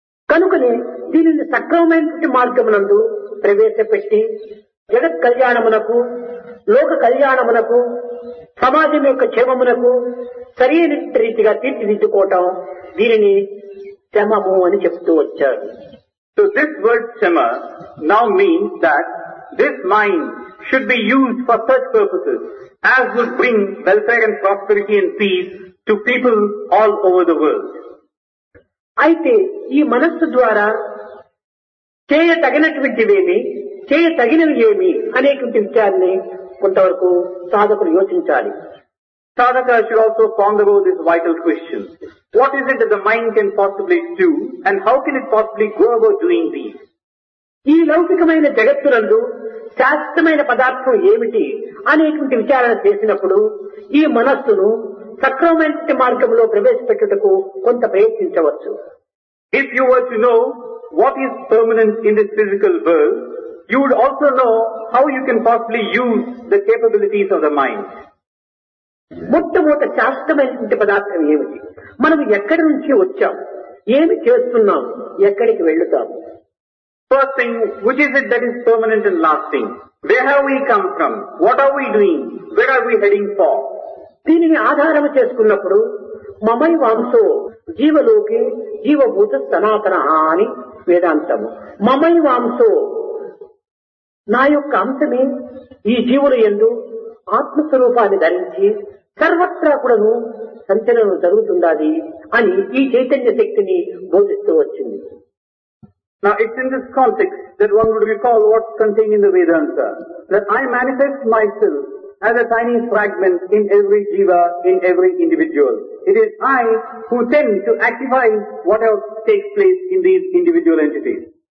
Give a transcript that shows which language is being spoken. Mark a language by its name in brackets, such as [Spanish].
[Telugu] కనుకని దీనిని సక్రమమైనటువంటి మార్గమునందు ప్రవేశపెట్టి జగత్ కళ్యాణమునకు లోక కళ్యాణమునకు సమాజం యొక్క క్షేమమునకు సరైన రీతిగా తీర్చిదిద్దుకోవటం దీనిని శమము అని చెప్తూ వచ్చారు. [English] So this word శమ now means that this mind should be used for such purposes as would bring welfare and prosperity and peace to people all over the world. [Telugu] అయితే ఈ మనస్సు ద్వారా చేయతగినటువంటివేమి చేయతగినవి ఏమి అనేటువంటి విషయాన్ని కొంతవరకు సాధకులు యోచించాలి. [English] Sadhaka should also ponder over this vital question. What is it that the mind can possibly do and how can it possibly go about doing these? [Telugu] ఈ లౌకికమైన జగత్తునందు శాశ్వతమైన పదార్థం ఏమిటి అనేటువంటి విచారణ చేసినప్పుడు ఈ మనస్సును సక్రమమైన మార్గంలో ప్రవేశపెట్టుటకు కొంత ప్రయత్నించవచ్చు. [English] If you were to know what is permanent in this physical world, you would also know how you can possibly use the capabilities of the mind. [Telugu] మొట్టమొదటి శాశ్వతమైనటువంటి పదార్థం ఏమిటి? మనం ఎక్కడి నుంచి వచ్చాం? ఏమి చేస్తున్నాం? ఎక్కడికి వెళ్తాం? [English] First thing, which is it that is permanent and lasting? Where have we come from? What are we doing? Where are we heading for? [Telugu] దీనిని ఆధారం చేసుకున్నప్పుడు [Sanskrit] మమై వాంసో జీవలోకి జీవభూత సనాతన [Telugu] అని వేదాంతం. మమై వాంసో నా యొక్క అంశమే ఈ జీవులు ఎందు ఆత్మస్వరూపాన్ని ధరించి సర్వత్రా కూడాను సంచలనం జరుగుతుందని అని ఈ చైతన్య శక్తిని బోధిస్తూ వచ్చింది. [English] Now it's in this context that one would recall what's contained in the Vedanta, that I manifest myself as a tiny fragment in every jiva, in every individual. It is I who tend to activate whatever takes place in these individual entities.